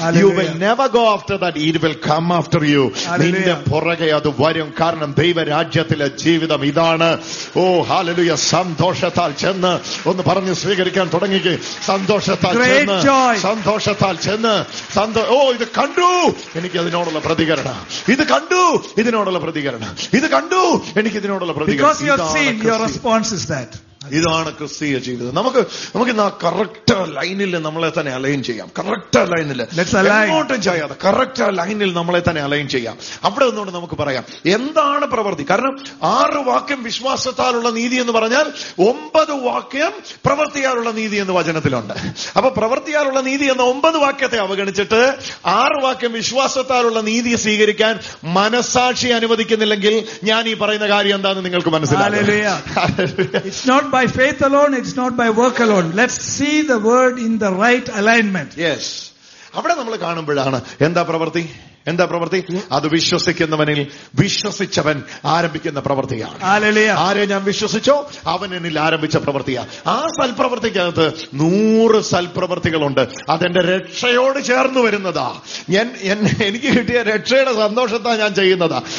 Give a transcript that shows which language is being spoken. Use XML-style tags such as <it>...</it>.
<en>You will never go after that, it will come after you.</en> <ml>നിന്റെ പുറകെ അത് വരും, കാരണം ദൈവരാജ്യത്തിലെ ജീവിതം ഇതാണ്. ഓ ഹല്ലേലൂയ. സന്തോഷത്താൽ ചെന്ന് ഒന്ന് പറഞ്ഞ് സ്വീകരിക്കാൻ തുടങ്ങിക്കെ. സന്തോഷത്താൽ ചെന്ന് ഇത് കണ്ടു എനിക്കതിനോടുള്ള പ്രതികരണം.</ml> <en>Because you have seen, your response is that.</en> <ml>ഇതാണ് ക്രിസ്തീയ ജീവിതം. നമുക്ക് നമുക്കിന്ന് ആ കറക്റ്റ് ലൈനിൽ നമ്മളെ തന്നെ അലൈൻ ചെയ്യാം. കറക്റ്റ് ലൈനിൽ എങ്ങോട്ടും ചെയ്യാതെ കറക്റ്റ് ലൈനിൽ നമ്മളെ തന്നെ അലൈൻ ചെയ്യാം. അവിടെ നിന്നുകൊണ്ട് നമുക്ക് പറയാം എന്താണ് പ്രവൃത്തി. കാരണം ആറ് വാക്യം വിശ്വാസത്താലുള്ള നീതി എന്ന് പറഞ്ഞാൽ ഒമ്പത് വാക്യം പ്രവൃത്തിയാലുള്ള നീതി എന്ന് വചനത്തിലുണ്ട്. അപ്പൊ പ്രവൃത്തിയാലുള്ള നീതി എന്ന ഒമ്പത് വാക്യത്തെ അവഗണിച്ചിട്ട് ആറ് വാക്യം വിശ്വാസത്താലുള്ള നീതി സ്വീകരിക്കാൻ മനസ്സാക്ഷി അനുവദിക്കുന്നില്ലെങ്കിൽ ഞാൻ ഈ പറയുന്ന കാര്യം എന്താണെന്ന് നിങ്ങൾക്ക് മനസ്സിലാക്കാം.</ml> <en>It's not by faith alone, it's not by work alone. Let's see the word in the right alignment. Yes.</en> <ml>അവിടെ നമ്മൾ കാണുമ്പോഴാണ് എന്താ പ്രവൃത്തി, എന്താ പ്രവൃത്തി, അത് വിശ്വസിക്കുന്നവനിൽ വിശ്വസിച്ചവൻ ആരംഭിക്കുന്ന പ്രവൃത്തിയാണ്.</ml> <en>Hallelujah.</en> <ml>ആരെ ഞാൻ വിശ്വസിച്ചോ അവൻ എന്നിൽ ആരംഭിച്ച പ്രവൃത്തിയാണ്. ആ സൽപ്രവൃത്തിക്കകത്ത് നൂറ് സൽപ്രവൃത്തികളുണ്ട്. അതെന്റെ രക്ഷയോട് ചേർന്ന് വരുന്നതാ. ഞാൻ എനിക്ക് കിട്ടിയ രക്ഷയുടെ സന്തോഷത്താ ഞാൻ ചെയ്യുന്നതാ.</ml>